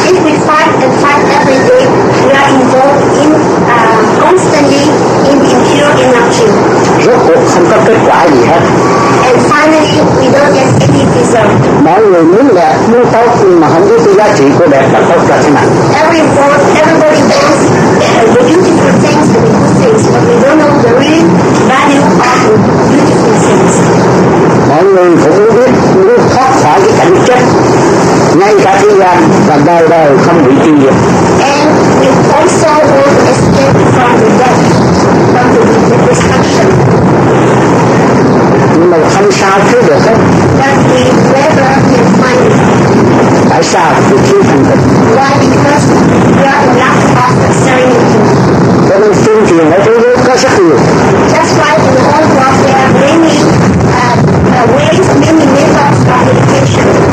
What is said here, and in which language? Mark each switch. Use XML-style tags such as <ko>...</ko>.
<en>If we fight and fight every day, we are involved in constantly in impure energy.</en> <vi>Rốt cuộc không có kết quả gì hết.</vi> <en>And finally, we don't get any result.</en> <vi>Mọi người muốn đẹp, muốn tốt nhưng mà không biết cái giá trị của đẹp là tốt là thế nào.</vi> <en>Everybody wants the beautiful things, the good things, but we don't know the real value of beautiful things.</en> <vi>Mọi người cũng biết muốn thoát khỏi cái cảnh chết ngay cả thế gian và đời đời không bị tiêu diệt.</vi> <en>And we also want to escape from the death, from the destruction.</en> <vi>Nhưng mà không sao chứ được hết.</vi> <en>But we never can find it.</en> <vi>Tại sao? Vì thiếu thành tịnh.</vi> <en>Why? Because we are in lack of serenity.</en> <vi>Cho nên phương tiện ở thế giới có rất nhiều.</vi> <en>Just like in the whole world there are many ways, many methods of meditation.</en>